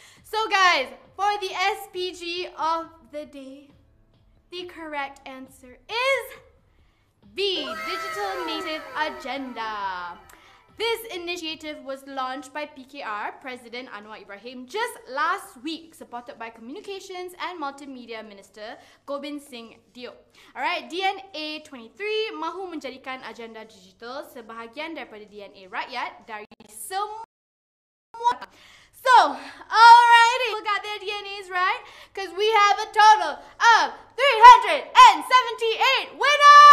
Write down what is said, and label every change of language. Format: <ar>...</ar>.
<en>So guys, for the SPG of the day, the correct answer is B, Digital Native Agenda. This initiative was launched by PKR, President Anwar Ibrahim, just last week, supported by Communications and Multimedia Minister Gobind Singh Dio.</en> <ms>Alright, DNA 23 mahu menjadikan agenda digital sebahagian daripada DNA rakyat dari semua.</ms> <en>So, alrighty, we got their DNAs right, because we have a total of 378 winners!</en>